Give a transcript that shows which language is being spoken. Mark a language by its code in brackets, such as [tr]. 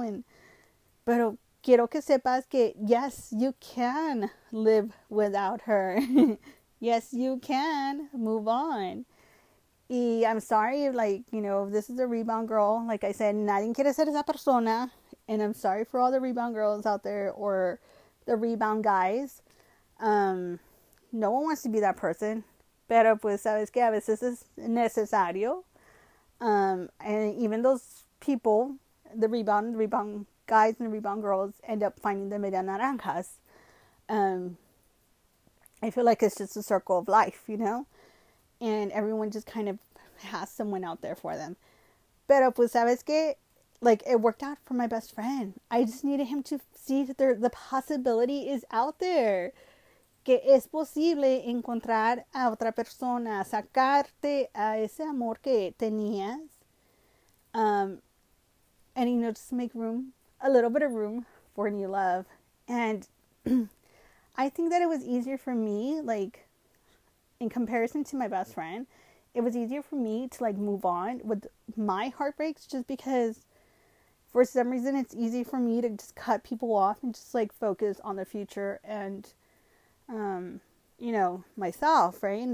[en] And, [es] pero quiero que sepas que, [en] yes, you can live without her. Yes, you can move on. I'm sorry, like, you know, this is a rebound girl. Like I said, [es] nadie quiere ser esa persona. [en] And I'm sorry for all the rebound girls out there or the rebound guys. No one wants to be that person. [es] Pero pues, sabes que a veces es necesario. [en] And even those people, the rebound guys and the rebound girls end up finding the [es] media naranjas. [en] I feel like it's just a circle of life, you know? And everyone just kind of has someone out there for them. [es] Pero pues sabes que, [en] like, it worked out for my best friend. I just needed him to see that the possibility is out there. [es] Que es posible encontrar a otra persona, sacarte a ese amor que tenías. [en] And, you know, just make room, a little bit of room for new love. And I think that it was easier for me, like, in comparison to my best friend, it was easier for me to like move on with my heartbreaks, just because for some reason it's easy for me to just cut people off and just like focus on the future and you know, myself, right?